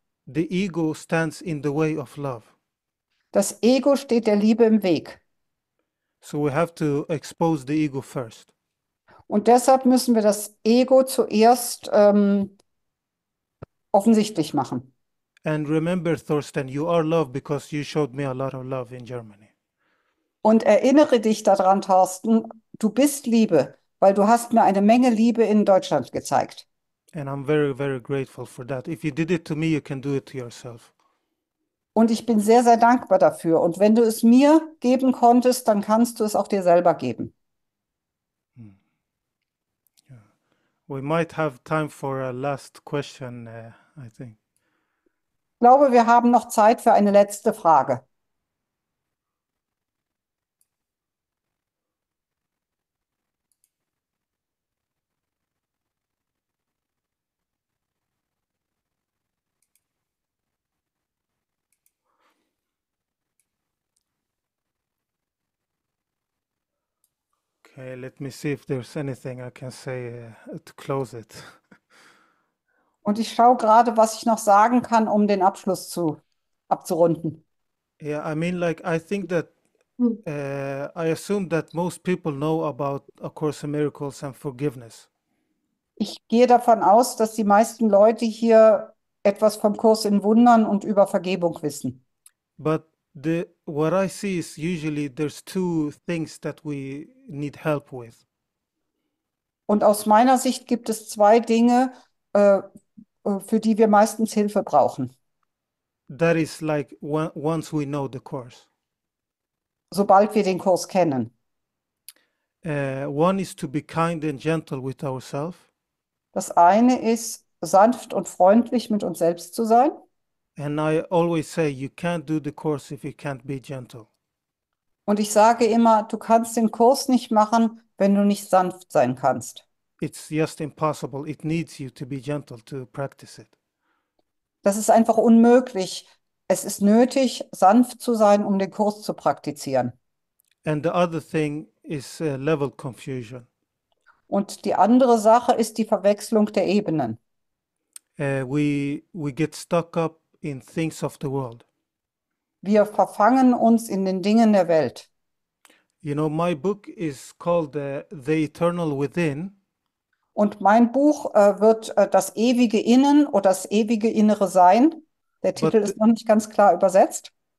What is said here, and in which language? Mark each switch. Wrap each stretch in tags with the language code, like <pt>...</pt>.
<en>The ego stands in the way of love.</en> <de>Das Ego steht der Liebe im Weg.</de> <en>So we have to expose the ego first.</en> <de>Und deshalb müssen wir das Ego zuerst offensichtlich machen.</de> <en>And remember, Thorsten, you are love because you showed me a lot of love in Germany.</en> <de>Und erinnere dich daran, Thorsten, du bist Liebe, weil du hast mir eine Menge Liebe in Deutschland gezeigt.</de> <en>And I'm very, very grateful for that. If you did it to me, you can do it to yourself.</en> <de>Und ich bin sehr, sehr dankbar dafür. Und wenn du es mir geben konntest, dann kannst du es auch dir selber geben.</de> <en>We might have time for a last question, I think.</en> <de>Ich glaube, wir haben noch Zeit für eine letzte Frage.</de> <en>Okay, let me see if there's anything I can say to close it.</en> <de>Und ich schaue gerade, was ich noch sagen kann, um den Abschluss zu abzurunden.</de> <en>Yeah, I mean, like, I think that I assume that most people know about A Course in Miracles and forgiveness.</en> <de>Ich gehe davon aus, dass die meisten Leute hier etwas vom Kurs in Wundern und über Vergebung wissen.</de> <en>But what I see is usually there's two things that we need help with.</en> <de>Und aus meiner Sicht gibt es zwei Dinge, für die wir meistens Hilfe brauchen.</de> <en>That is like once we know the course.</en> <de>Sobald wir den Kurs kennen.</de> <en>One is to be kind and gentle with ourselves.</en> <de>Das eine ist, sanft und freundlich mit uns selbst zu sein.</de> <en>And I always say, you can't do the course if you can't be gentle.</en> <de>Und ich sage immer, du kannst den Kurs nicht machen, wenn du nicht sanft sein kannst.</de> <en>It's just impossible. It needs you to be gentle to practice it.</en> <de>Das ist einfach unmöglich. Es ist nötig, sanft zu sein, um den Kurs zu praktizieren.</de> <en>And the other thing is level confusion.</en> <de>Und die andere Sache ist die Verwechslung der Ebenen.</de> <en>We get stuck up in things of the world.</en> <de>Wir verfangen uns in den Dingen der Welt.</de> <en>You know, my book is called The Eternal Within.</en> <de>Und mein Buch wird das ewige Innen oder das ewige Innere sein. Der Titel ist noch nicht ganz klar übersetzt.</de>